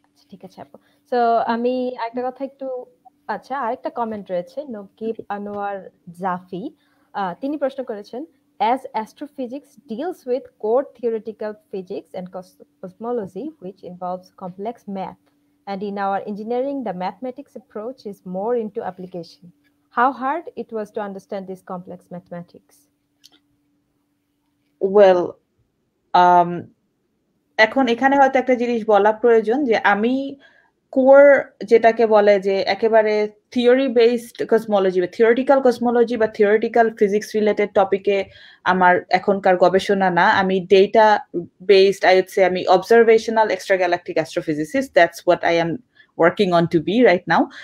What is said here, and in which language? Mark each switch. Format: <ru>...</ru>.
<bn>ঠিক আছে আপু। সো আমি একটা কথা একটু, আচ্ছা আরেকটা কমেন্ট রয়েছে, নকিব আনোয়ার জাফি, তিনি প্রশ্ন করেছেন,</bn> <en>as astrophysics deals with core theoretical physics and cosmology which involves complex math, And in our engineering, the mathematics approach is more into application. How hard it was to understand this complex mathematics?</en> <bn>Well, এখন এখানে হয়তো একটা জিনিস বলা প্রয়োজন যে আমি core যেটাকে বলে যে একেবারে থিওরি বেসড কসমোলজি বা থিওরিটিক্যাল কসমোলজি বা থিওরিটিক্যাল ফিজিক্স রিলেটেড টপিকে আমার এখনকার গবেষণা না, আমি data based,</bn> <en>I would say</en> <bn>আমি observational extra galactic astrophysicist,</bn> <en>That's what I am working on to be right now.</en>